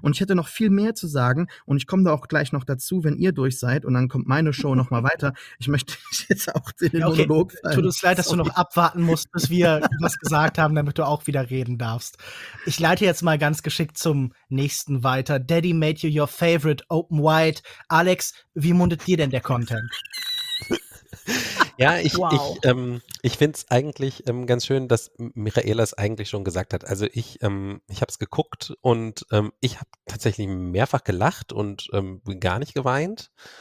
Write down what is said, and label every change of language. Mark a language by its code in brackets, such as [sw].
[de] Und ich hätte noch viel mehr zu sagen und ich komme da auch gleich noch dazu, wenn ihr durch seid und dann kommt meine Show noch mal weiter. Ich möchte jetzt auch den Monolog fallen. Tut uns leid, dass du noch abwarten musst, bis wir was gesagt haben, damit du auch wieder reden darfst. Ich leite jetzt mal ganz geschickt zum nächsten weiter. [en] Daddy made you your favorite, open wide. [de] Alex, wie mundet dir denn der Content? Ja, ich finde es eigentlich ganz schön, dass Michaela es eigentlich schon gesagt hat. Also ich habe es geguckt und ich habe tatsächlich mehrfach gelacht und gar nicht geweint.